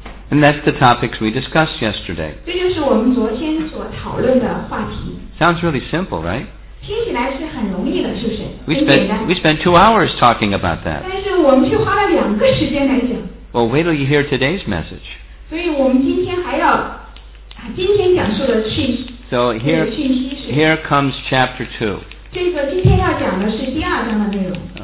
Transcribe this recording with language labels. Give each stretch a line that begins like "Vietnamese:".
English: And that's the topics we discussed yesterday.
Chinese: 这就是我们昨天所讨论的话题。
English: Sounds really simple, right?
Chinese: 听起来是很容易的，是不是？
English: We spent 2 hours talking about that.
Chinese: 但是我们却花了两个时间来讲。
English: Well, wait till you hear today's message.
Chinese: 所以我们今天还要今天讲述的讯息。
English: So here comes chapter 2.
Chinese: 这个今天要讲的是第二章的内容。